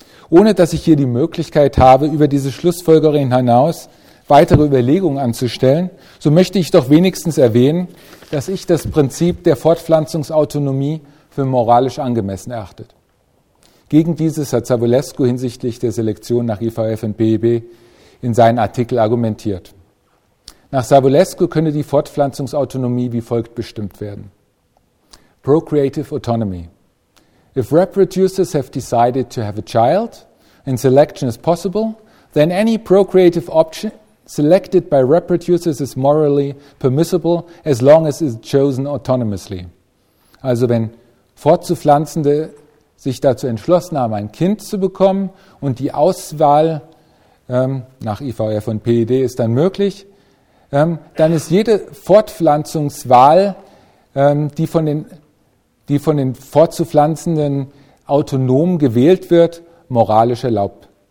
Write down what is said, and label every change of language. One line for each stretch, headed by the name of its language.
German: Ohne dass ich hier die Möglichkeit habe, über diese Schlussfolgerung hinaus weitere Überlegungen anzustellen, so möchte ich doch wenigstens erwähnen, dass ich das Prinzip der Fortpflanzungsautonomie für moralisch angemessen erachtet. Gegen dieses hat Savulescu hinsichtlich der Selektion nach IVF und PEB in seinen Artikel argumentiert. Nach Savulescu könne die Fortpflanzungsautonomie wie folgt bestimmt werden.
English: Procreative autonomy. If reproducers have decided to have a child and selection is possible, then any procreative option selected by reproducers is morally permissible as long as it's chosen autonomously.
German: Also wenn Fortzupflanzende sich dazu entschlossen haben, ein Kind zu bekommen und die Auswahl nach IVF und PED ist dann möglich, dann ist jede Fortpflanzungswahl, die von den Fortzupflanzenden autonom gewählt wird, moralisch erlaubt.